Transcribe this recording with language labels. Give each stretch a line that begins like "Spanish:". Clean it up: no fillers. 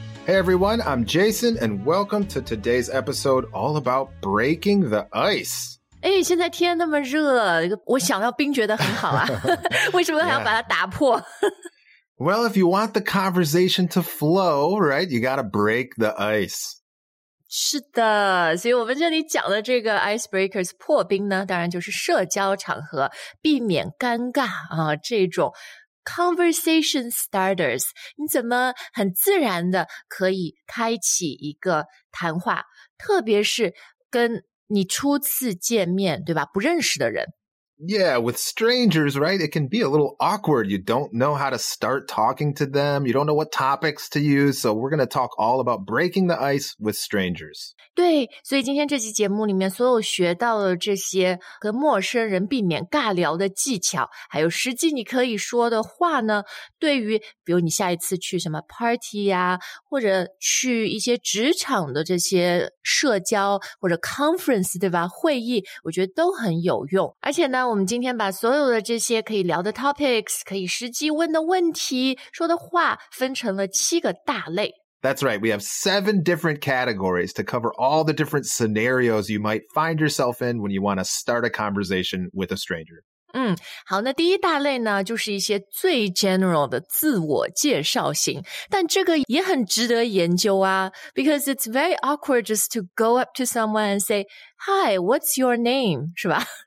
English: Hey everyone, I'm Jason, and welcome to today's episode all about breaking the ice.
Chinese: 哎，现在天那么热，我想要冰觉得很好啊，为什么还要把它打破？
English: Well, if you want the conversation to flow, right, you gotta break the ice.
Chinese: 是的，所以我们这里讲的这个 icebreakers 破冰呢，当然就是社交场合，避免尴尬啊，这种 conversation starters, 你怎么很自然的可以开启一个谈话，特别是跟你初次见面，对吧，不认识的人。
English: Yeah, with strangers, right? It can be a little awkward. You don't know how to start talking to them. You don't know what topics to use. So we're going to talk all about breaking the ice with strangers.
Chinese: 对，所以今天这期节目里面所有学到的这些跟陌生人避免尬聊的技巧，还有实际你可以说的话呢，对于比如你下一次去什么 party 呀，或者去一些职场的这些社交或者 conference, 对吧，会议，我觉得都很有用。而且呢，我们今天把所有的这些可以聊的 topics, 可以实际问的问题，说的话，分成了七个大类。
English: That's right, we have seven different categories to cover all the different scenarios you might find yourself in when you want to start a conversation with a stranger.
Chinese: 嗯，好，那第一大类呢，就是一些最 general 的自我介绍型，但这个也很值得研究啊，
English: because it's very awkward just to go up to someone and say, Hi, what's your name?
Chinese: 是吧？